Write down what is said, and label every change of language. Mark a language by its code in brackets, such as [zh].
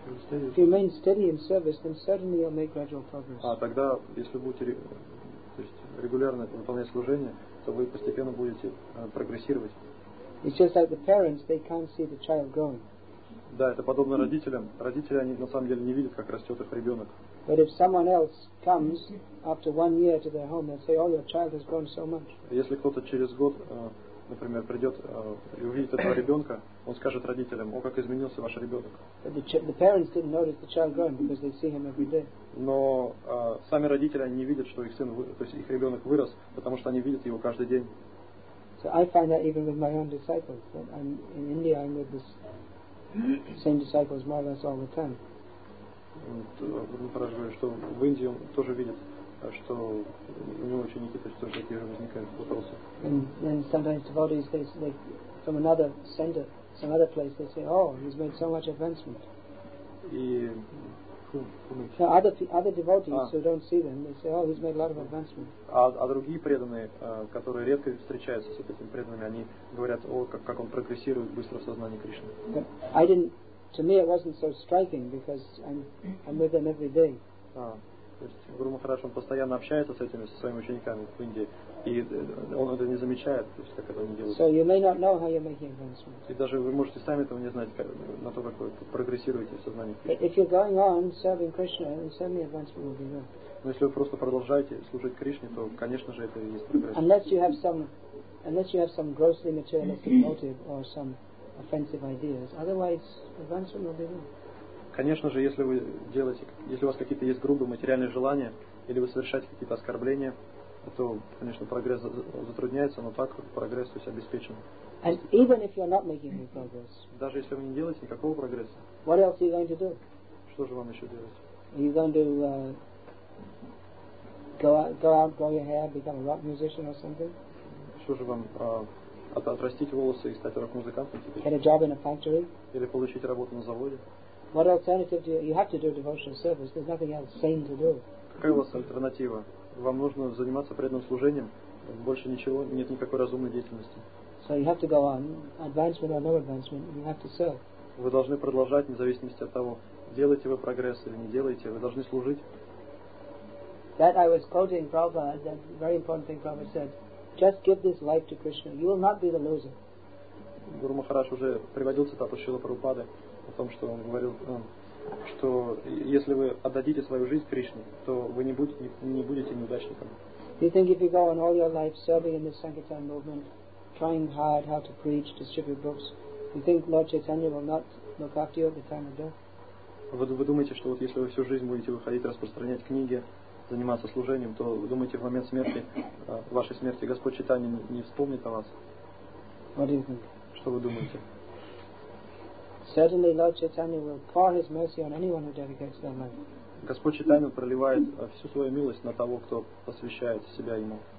[en] If you remain steady in service, then certainly you'll make gradual progress. [ru] А тогда, если будете регулярно выполнять служение, то вы постепенно будете прогрессировать. [en] It's just like the parents, they can't see the child growing. [ru] Да, это подобно родителям. Родители, они на самом деле не видят, как растет их ребенок. [en] But if someone else comes after 1 year to their home, they'll say, "Oh, your child has grown so much." [ru] Если кто-то через год например, придет и увидит этого ребенка, он скажет родителям: «О, как изменился ваш ребенок!» Но сами родители, они не видят, что их сын, то есть их ребенок вырос, потому что они видят его каждый день. [en] So I find that even with my own disciples, that I'm in India, I'm with the same disciples more or less all the time. [ru] Поражаю, что в Индии он тоже видит. Что у него ученики, то есть тоже такие же возникают вопросы. [en] And sometimes devotees, they from another center, some other place, they say, oh, he's made so much advancement. [ru] И [en] other devotees who don't see them, they say, oh, he's made a lot of advancement. [ru] А другие преданные, которые редко встречаются с этими преданными, они говорят, о, как он прогрессирует быстро в сознании Кришны. [en] To me, it wasn't so striking because I'm with them every day. [ru] То есть Гуру Махарадж, он постоянно общается с этими, со своими учениками в Индии, и он это не замечает, то есть как это они делают. [en] So you may not know how you're making advancement. [ru] И даже вы можете сами этого не знать, как, на то, как вы прогрессируете в сознании. [en] If you're going on serving Krishna, then certainly advancement will be there. [ru] Но если вы просто продолжаете служить Кришне, то, конечно же, это и есть прогресс. [en] Unless you have some grossly materialistic motive or some offensive ideas, otherwise advancement will be there. [ru] Конечно же, если вы делаете, если у вас какие-то есть грубые материальные желания, или вы совершаете какие-то оскорбления, то, конечно, прогресс затрудняется, но так прогресс, то есть, обеспечен. [en] And even if you're not making any progress, [ru] даже если вы не делаете никакого прогресса, [en] what else are you going to do? [ru] Что же вам еще делать? [en] Are you going to go out, grow your hair, become a rock musician or something? [ru] Что же вам отрастить волосы и стать рок-музыкантом? [en] Get a job in a factory? [ru] Или получить работу на заводе? [en] What alternative do you have to do devotional service? There's nothing else sane to do. [ru] Какая у вас альтернатива? Вам нужно заниматься преданным служением. Больше ничего, нет никакой разумной деятельности. [en] So you have to go on, advancement or no advancement, you have to serve. [ru] Вы должны продолжать, независимо от того, делаете вы прогресс или не делаете, вы должны служить. [en] That I was quoting Prabhupada, that very important thing Prabhupada said. Just give this life to Krishna, you will not be the loser. [ru] Гуру Махарадж уже приводил цитату Шрилы Прабхупады. О том, что он говорил, что если вы отдадите свою жизнь Кришне, то вы не будете неудачником. [en] You think if you go on all your life serving in the Sankirtan movement, trying hard how to preach, distribute books, you think Lord Chaitanya will not look after you at the time of death? [ru] Вы думаете, что вот если вы всю жизнь будете выходить, распространять книги, заниматься служением, то вы думаете, в момент смерти, вашей смерти, Господь Чайтанья не вспомнит о вас? [en] What do you think? [ru] Что вы думаете? [en] Certainly, Lord Chaitanya will pour his mercy on anyone who dedicates their life. [ru] Господь Чайтанья проливает всю свою милость на того, кто посвящает себя ему.